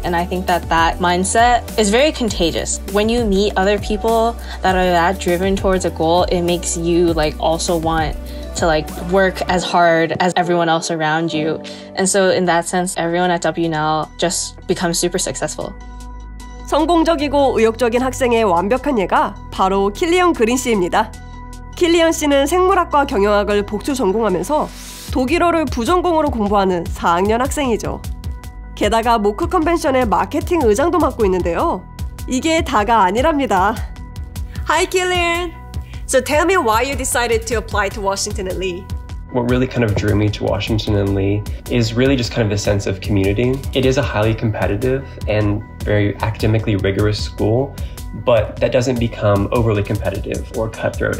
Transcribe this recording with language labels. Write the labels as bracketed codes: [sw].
[en] And I think that that mindset is very contagious. When you meet other people that are that driven towards a goal, it makes you like also want to like work as hard as everyone else around you. And so in that sense, everyone at WNL just becomes super successful. [ko] 성공적이고 의욕적인 학생의 완벽한 예가 바로 킬리언 그린 씨입니다. 킬리언 씨는 생물학과 경영학을 복수 전공하면서 독일어를 부전공으로 공부하는 4학년 학생이죠. 게다가 모크 컨벤션의 마케팅 의장도 맡고 있는데요. 이게 다가 아니랍니다. [en] Hi, Killian. So tell me why you decided to apply to Washington and Lee. What really kind of drew me to Washington and Lee is really just kind of the sense of community. It is a highly competitive and very academically rigorous school, but that doesn't become overly competitive or cutthroat.